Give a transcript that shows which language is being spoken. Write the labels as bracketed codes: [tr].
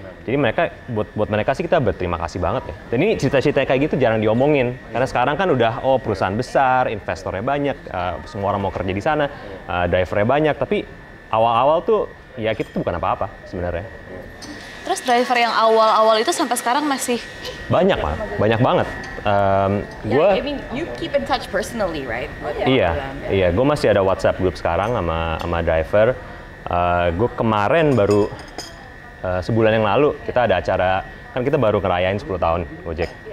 [id] Jadi mereka buat mereka sih kita berterima kasih banget ya. Dan ini cerita-cerita kayak gitu jarang diomongin. Karena sekarang kan udah perusahaan besar, investornya banyak, semua orang mau kerja di sana, drivernya banyak, tapi awal-awal tuh ya kita tuh bukan apa-apa sebenarnya. Terus driver yang awal-awal itu sampai sekarang masih banyak lah, banyak banget. Gua, [en] I mean, you keep in touch personally, right? [id] Iya. Gue masih ada WhatsApp group sekarang sama driver. Gue kemarin baru sebulan yang lalu kita ada acara, kan kita baru ngerayain 10 tahun Gojek.